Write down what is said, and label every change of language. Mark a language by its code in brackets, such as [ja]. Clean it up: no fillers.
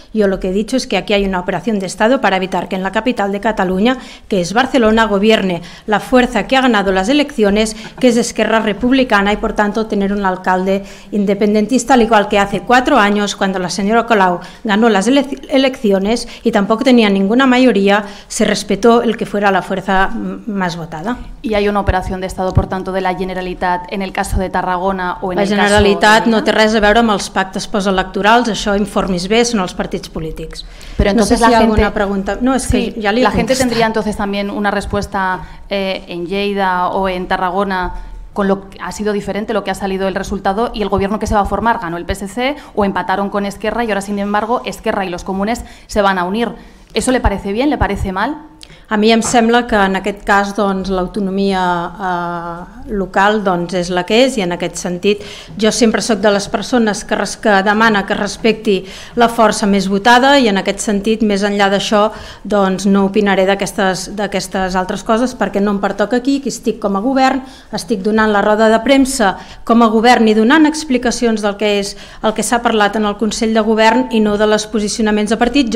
[es] Jo lo que he dicho es que aquí hay una operación de Estado para evitar que en la capital de Catalunya, que es Barcelona, gobierne la fuerza que ha ganado las elecciones, que es Esquerra Republicana, y por tanto tener un alcalde independentista, al igual que hace 4 años... cuando la señora Colau ganó las elecciones y tampoco tenía ninguna mayoría, se respetó el que fuera la fuerza más votada. ¿Y hay una operación de Estado, por tanto, de la Generalitat en el caso de Tarragona o en el caso... [ca] La Generalitat no té res a veure amb els pactes postelectorals, això informis bé, són els partits polítics. Però no sé si hi ha alguna pregunta... No, és que ja li he... La gent tindria, entonces, també una resposta en Lleida o en Tarragona... [es] Con lo que ha sido diferente lo que ha salido el resultado y el gobierno que se va a formar, ganó el PSC o empataron con Esquerra y ahora sin embargo Esquerra y los comunes se van a unir. ¿Eso le parece bien? ¿Le parece mal? [ca] A mi em sembla que en aquest cas doncs, l'autonomia local doncs, és la que és, i en aquest sentit jo sempre sóc de les persones que demana que respecti la força més votada, i en aquest sentit, més enllà d'això, doncs, no opinaré d'aquestes altres coses perquè no em pertoca aquí, que estic com a govern, estic donant la roda de premsa com a govern i donant explicacions del que és el que s'ha parlat en el Consell de Govern i no de les posicionaments de partit.